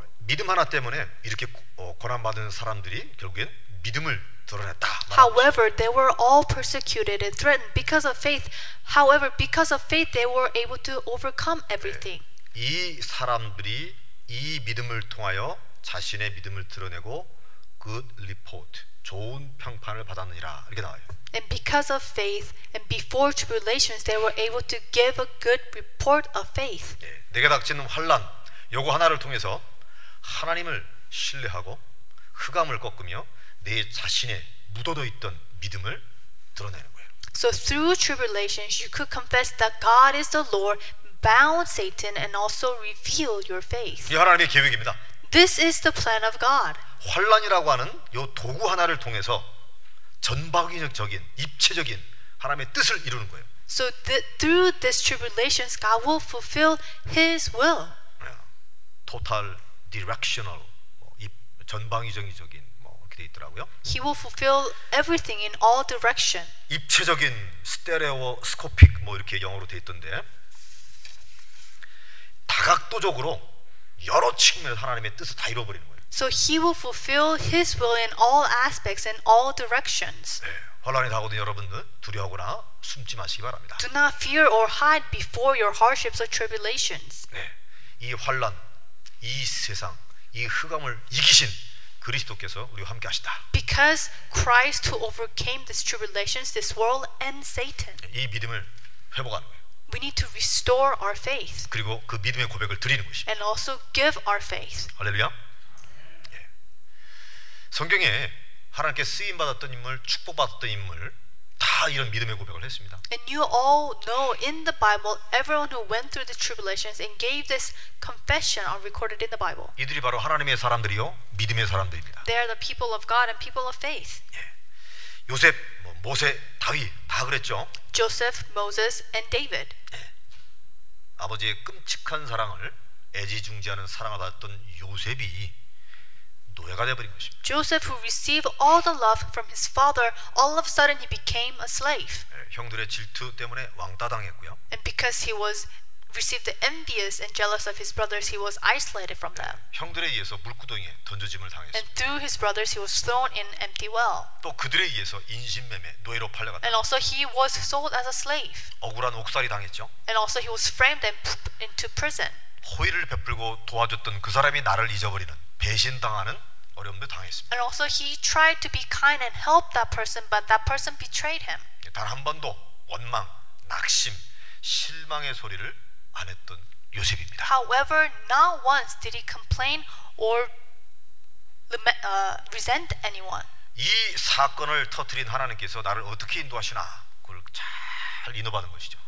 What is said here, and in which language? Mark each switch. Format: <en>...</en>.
<ko>믿음 하나 때문에 이렇게 고난 받은 사람들이 결국엔 믿음을 드러냈다.</ko> <en>However, they were all persecuted and threatened because of faith. However, because of faith, they were able to overcome everything.</en> <ko>네. 이 사람들이 이 믿음을 통하여 자신의 믿음을 드러내고</ko> <en>good report,</en> <ko>좋은 평판을 받았느니라 이렇게 나와요.</ko> <en>And because of faith and before tribulations, they were able to give a good report of faith.</en> <ko>네. 내게 닥치는 환난 요거 하나를 통해서 하나님을 신뢰하고 흑암을 꺾으며 내 자신의 묻어져 있던 믿음을 드러내는 거예요.</ko> <en>So through tribulations, you could confess that God is the Lord, bound Satan, and also reveal your faith.</en> <ko>이 하나님의 계획입니다.</ko> <en>This is the plan of God.</en> <ko>환난이라고 하는 요 도구 하나를 통해서 전방위적인, 입체적인 하나님의 뜻을 이루는 거예요.</ko> <en>So through these tribulations, God will fulfill His will. Total directional,</en> <ko>전방위적인.</ko> <en>He will fulfill everything in all direction.</en> <ko>입체적인 스테레오스코픽 뭐 이렇게 영어로 돼 있던데 다각도적으로 여러 측면에서 하나님의 뜻을 다 이루어버리는 거예요.</ko> <en>So he will fulfill his will in all aspects and all directions.</en> <ko>네, 환난이 다가오든 여러분들 두려워하거나 숨지 마시기 바랍니다.</ko> <en>Do not fear or hide before your hardships or tribulations.</en> <ko>네, 이 환난, 이 세상, 이 흑암을 이기신 그리스도께서 우리와 함께 하시다.</ko> <en>Because Christ who overcame these tribulations, this world and Satan.</en> <ko>이 믿음을 회복하는 거예요.</ko> <en>We need to restore our faith.</en> <ko>그리고 그 믿음의 고백을 드리는 것이.</ko> <en>And also give our faith.</en> <ko>할렐루야. 예. 성경에 하나님께 쓰임 받았던 인물, 축복 받았던 인물 다 이런 믿음의 고백을 했습니다.</ko> <en>And you all know in the Bible everyone who went through the tribulations and gave this confession are recorded in the Bible.</en> <ko>이들이 바로 하나님의 사람들이요, 믿음의 사람들입니다.</ko> <en>They are the people of God and people of faith.</en> <ko>예. 요셉, 뭐, 모세, 다윗 다 그랬죠.</ko> <en>Joseph, Moses and David.</en> <ko>예. 아버지의 끔찍한 사랑을 애지중지하는 사랑을 받았던 요셉이 노예가 되어버린 것입니다.</ko> <en>Joseph, who received all the love from his father, all of a sudden he became a slave.</en> <ko>네, 형들의 질투 때문에 왕따 당했고요.</ko> <en>And because he was received the envious and jealous of his brothers, he was isolated from them. 네,</en> <ko>형들에 의해서 물구덩이에 던져짐을 당했습니다.</ko> <en>And through his brothers, he was thrown in empty well.</en> <ko>또 그들에 의해서 인신매매 노예로 팔려갔다.</ko> <en>And also he was sold as a slave.</en> <ko>억울한 옥살이 당했죠.</ko> <en>And also he was framed and put into prison.</en> <ko>호의를 베풀고 도와줬던 그 사람이 나를 잊어버리는. 배신당하는 어려움도 당했습니다.</ko> <en>And also he tried to be kind and help that person, but that person betrayed him.</en> <ko>단 한 번도 원망, 낙심, 실망의 소리를 안 했던 요셉입니다.</ko> <en>However, not once did he complain or resent anyone.</en> <ko>이 사건을 터뜨린 하나님께서 나를 어떻게 인도하시나 그걸 잘 인도받은 것이죠.</ko>